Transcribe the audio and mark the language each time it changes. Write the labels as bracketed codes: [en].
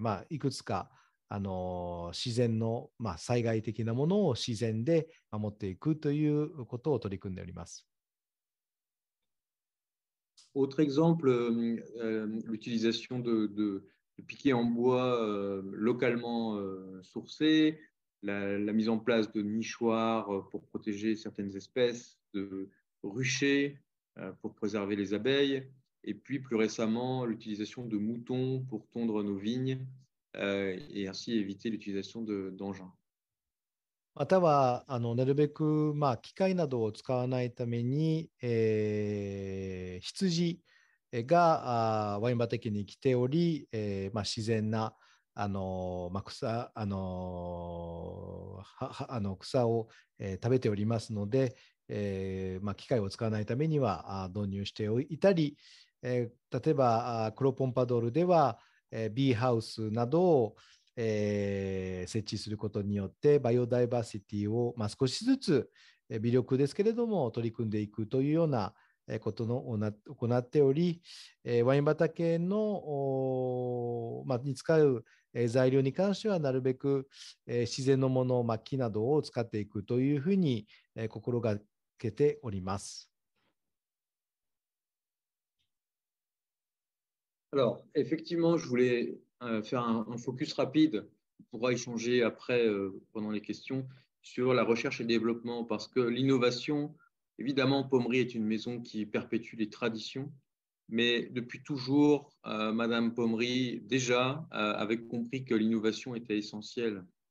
[ja] いくつか自然の、災害的なものを自然で守っていくということを取り組んでおります。 [fr] Autre exemple, l'utilisation de piquets en bois localement sourcés, la mise en place de nichoirs pour protéger certaines espèces, de ruchers pour préserver les abeilles, et puis plus récemment, l'utilisation de moutons pour tondre nos vignes et ainsi éviter l'utilisation d'engins. [ja] または、なるべく、機械などを使わないために、羊がワイマテキに来ており、自然な草を、食べておりますので、機械を使わないためには導入していたり、例えばクロポンパドールでは、ビーハウスなどを設置することによってバイオダイバーシティを少しずつ微力ですけれども取り組んでいくというようなことを行っており、ワイン畑のに使う材料に関してはなるべく自然のもの、木などを使っていくというふうに心がけております。 [fr] Alors, effectivement, je voulais faire un focus rapide, on pourra échanger après pendant les questions, sur la recherche et le développement, parce que l'innovation, évidemment, Pommery est une maison qui perpétue les traditions, mais depuis toujours, Madame Pommery, déjà, avait compris que l'innovation était essentielle.